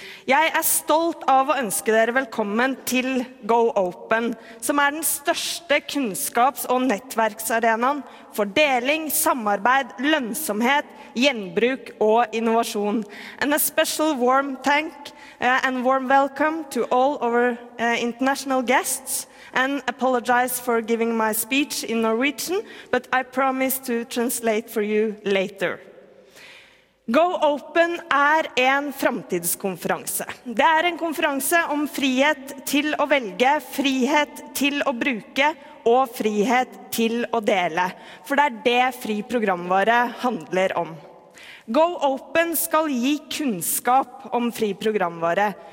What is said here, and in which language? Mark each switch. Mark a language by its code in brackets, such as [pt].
[no] Jeg er stolt av å ønske dere velkommen til Go Open, som er den største kunnskaps- og nettverksarenaen for deling, samarbeid, lønnsomhet, gjenbruk og innovasjon. [en] And a special warm thank and warm welcome to all our international guests, and apologize for giving my speech in Norwegian, but I promise to translate for you later. [no] Go Open er en framtidskonferanse. Det er en konferanse om frihet til å velge, frihet til å bruke og frihet til å dele. For det er det fri programvare handler om. Go Open skal gi kunnskap om fri programvare.